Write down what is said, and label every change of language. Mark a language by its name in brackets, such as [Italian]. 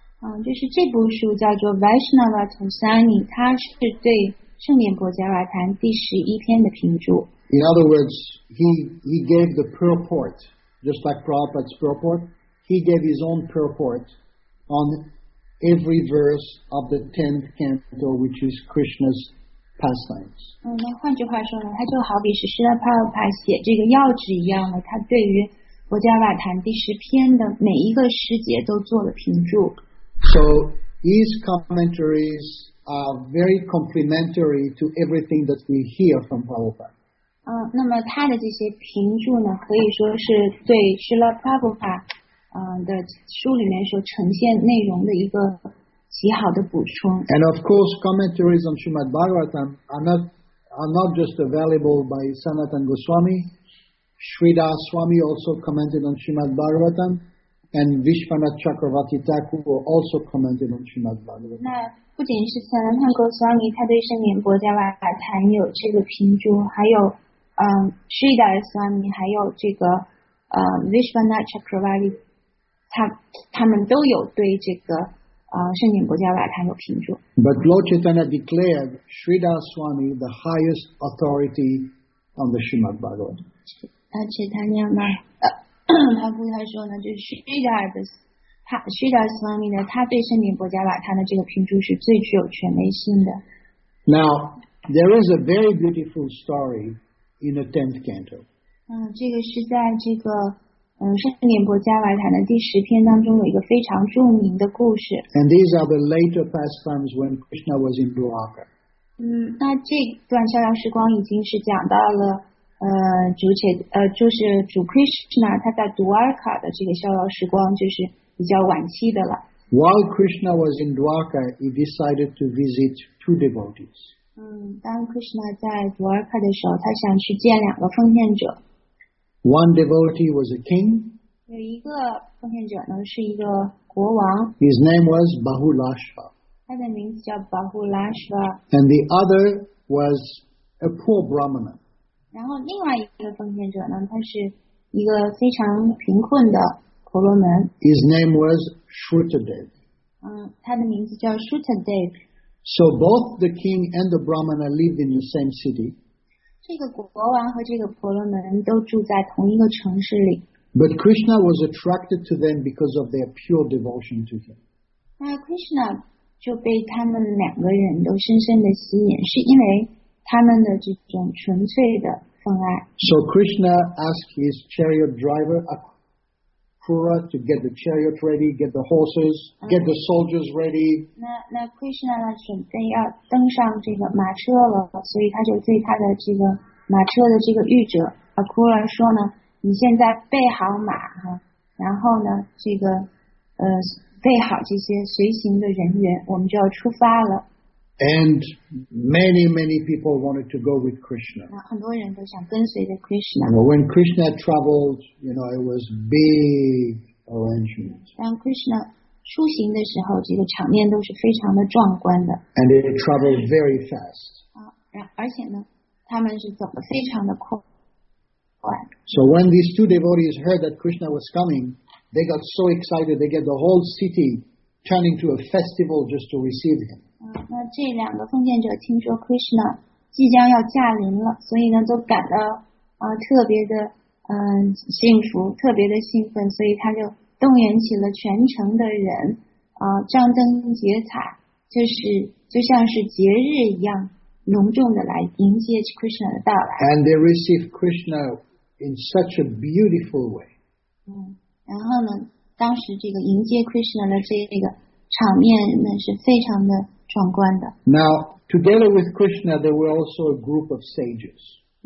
[Chinese] 就是这部书叫做 Vaishnava Toshani， 它是对圣严波伽瓦坛第十一篇的评注。 [English] In other words, he gave the purport, just like Prabhupada's purport, he gave his own purport onEvery verse of the 10th canto, which is Krishna's pastimes. [Chinese] 那换句话说呢，他就好比是释迦牟尼佛写这个要旨一样的，他对于《波伽瓦坛》第十篇的每一个诗节都做了评注。 [English] So his commentaries are very complementary to everything that we hear from Prabhupada. [Chinese] 那么他的这些评注呢，可以说是对释迦牟尼佛。的书里面所呈现内容的一个极好的补充。 [English] And of course, commentaries on Srimad Bhagavatam are not just available by Sanatan Goswami. Sridhar Swami also commented on Srimad Bhagavatam, and Vishwanath Chakravarti Thakur also commented on Srimad Bhagavatam. [Chinese] 那不仅是 Sanatan Goswami， 他对圣严波伽瓦坛有这个评注，还有Sridhar Swami， 还有这个Vishwanath Chakravarti。他们都有对这个圣严波伽瓦坛有评注。 [English] But Lord Chaitanya declared Sridhar Swami the highest authority on the Srimad Bhagavatam. [Chinese] Chaitanya Mahaprabhu 他说呢，就是 Sridhar Swami 呢，他对圣严波伽瓦坛的这个评注是最具有权威性的。 [English] Now there is a very beautiful story in the 10th canto. [Chinese] 这个是在这个。圣严波伽瓦坛的第十篇当中有一个非常著名的故事。 [English] And these are the later pastimes when Krishna was in Dwarka. [Chinese] 那这段逍遥时光已经是讲到了就是主 Krishna 他在 Dwarka 的这个逍遥时光就是比较晚期的了。 [English] While Krishna was in Dwarka, he decided to visit two devotees. [Chinese] 当 Krishna 在 Dwarka 的时候，他想去见两个奉献者。 [English] One devotee was a king. [Chinese] 有一个奉献者呢，是一个国王。 [English] His name was Bahulashva. [Chinese] 他的名字叫 Bahulashva. [English] And the other was a poor brahmana. [Chinese] 然后另外一个奉献者呢，他是一个非常贫困的婆罗门。 [English] His name was Shrutadev. [Chinese] 他的名字叫 Shrutadev. [English] So both the king and the brahmana lived in the same city. [Chinese] 这个国王和这个婆罗门都住在同一个城市里。 [English] But Krishna was attracted to them because of their pure devotion to him. [Chinese] 那 Krishna 就被他们两个人都深深的吸引，是因为他们的这种纯粹的奉爱。 [English] So Krishna asked his chariot driver Akura to get the chariot ready, get the horses, get the soldiers ready. [Chinese] 那 Krishna 呢，准备要登上这个马车了，所以他就对他的这个马车的这个御者 Akura 说呢，你现在备好马哈，然后呢，这个备好这些随行的人员，我们就要出发了。 [English] And many many people wanted to go with Krishna. [Chinese] 很多人都想跟随着 Krishna. [English] Well, when Krishna traveled, you know, it was big arrangements. [Chinese] 当 Krishna 出行的时候，这个场面都是非常的壮观的。 [English] And it traveled very fast. [Chinese] 而且呢，他们是走得非常的快。 [English] So when these two devotees heard that Krishna was coming, they got so excited. They get the whole city turning to a festival just to receive him. [Chinese] 那这两个奉献者听说 Krishna 即将要驾临了，所以呢，都感到特别的幸福，特别的兴奋，所以他就动员起了全城的人，张灯结彩，就是就像是节日一样隆重的来迎接 Krishna 的到来。 [English] And they receive Krishna in such a beautiful way. [Chinese] 然后呢，当时这个迎接 Krishna 的这个场面呢是非常的壮观的。 [English] Now, together with Krishna, there were also a group of sages.